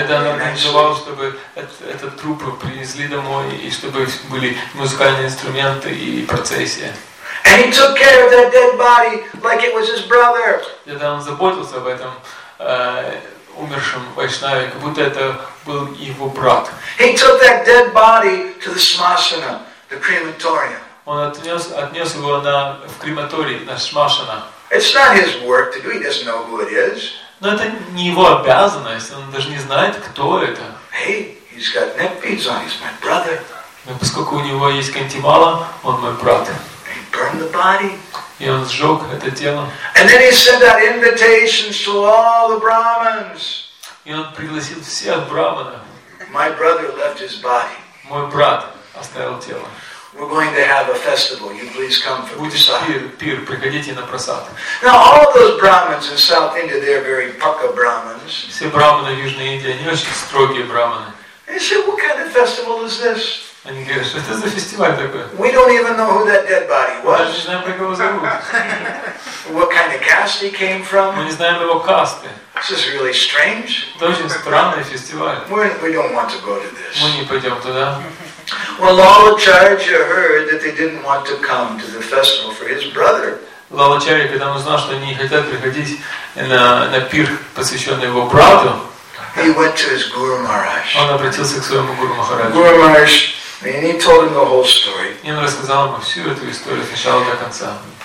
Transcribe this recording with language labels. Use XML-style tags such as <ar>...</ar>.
<ru>Тогда он организовал, чтобы этот труп принесли домой и чтобы были музыкальные инструменты и процессия.</ru> <en>And he took care of that dead body like it was his brother.</en> <ru>Тогда он заботился об этом. Умершим Вайшнаве, как будто это был его брат.</ru> <en>He took that dead body to the smashana, the crematorium.</en> <ru>Он отнес его в крематорий, на смашана.</ru> <en>It's not his work to do. He doesn't know who it is.</en> <ru>Но это не его обязанность. Он даже не знает, кто это.</ru> <en>Hey, he's got neck beads on. He's my brother.</en> <ru>Но поскольку у него есть kunti mala, он мой брат.</ru> <en>He burned the body.</en> <ru>И он сжег это тело.</ru> <en>And then he sent out invitations to all the Brahmins.</en> <ru>И он пригласил всех брахманов.</ru> <en>My brother left his body.</en> <ru>Мой брат оставил тело.</ru> <en>We're going to have a festival. You please come for prasad.</en> <ru>Будет пир. Приходите на просад.</ru> <en>Now all of those Brahmins in South India, they're very pukka Brahmins.</en> <ru>Все брахманы в Южной Индии, они очень строгие брахманы.</ru> <en>They said, what kind of festival is this?</en> <ru>Они говорят, что это за фестиваль такой?</ru> <en>We don't even know who that dead body was.</en> <ru>Мы даже не знаем, как его зовут.</ru> <en>What kind of caste he came from?</en> <ru>Мы не знаем его касты.</ru> <en>This is really strange.</en> <ru>Это очень странный фестиваль.</ru> <en>We don't want to go to this.</en> <ru>Мы не пойдем туда.</ru> <en>Well, Lalacharya heard that they didn't want to come to the festival for his brother.</en> <ru>Лалачарья, когда он узнал, что они не хотят приходить на пир, посвященный его брату,</ru> <en>he went to his Guru Maharaj.</en> <ru>Он обратился к своему Гуру Махараджу.</ru> <en>Guru Maharaj. And he told him the whole story.</en> <ru>И он рассказал ему всю эту историю с начала до конца.</ru>